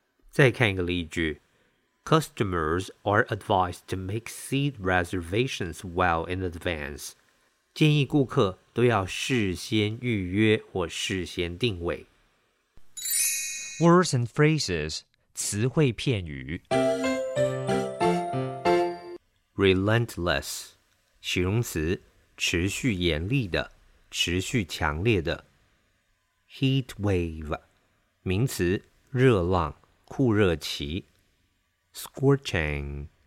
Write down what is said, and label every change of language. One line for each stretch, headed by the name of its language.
Chinese: 再看一个例句
English: Customers are advised to make seat reservations well in advance.
Chinese: 建议顾客都要事先预约或事先定位。
English: Words and phrases,
Chinese: 词汇片语。 Relentless, 形容词，持续严厉的，持续强烈的。
English: Heat wave,
Chinese: 名词，热浪，酷热期。
English: Scorching,